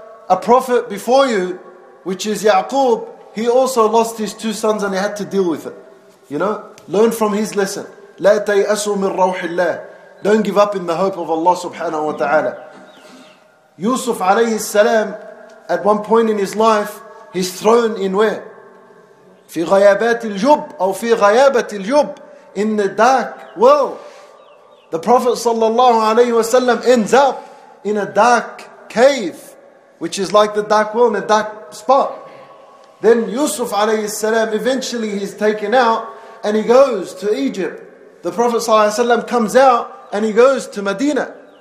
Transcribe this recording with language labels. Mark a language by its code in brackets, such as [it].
[en] A prophet before you, which is Ya'qub, he also lost his two sons and he had to deal with it. You know, learn from his lesson. [ar] لا تيأسوا من روح الله. [en] Don't give up in the hope of Allah subhanahu wa ta'ala. Yusuf alayhi salam, at one point in his life, he's thrown in where? [ar] في غيابات الجب أو في غيابة الجب, [en] in the dark world. The Prophet sallallahu alayhi wasallam ends up in a dark cave, which is like the dark world, in a dark spot. Then Yusuf alayhi salam, eventually he's taken out and he goes to Egypt. The Prophet sallallahu alayhi wasallam comes out and he goes to Medina.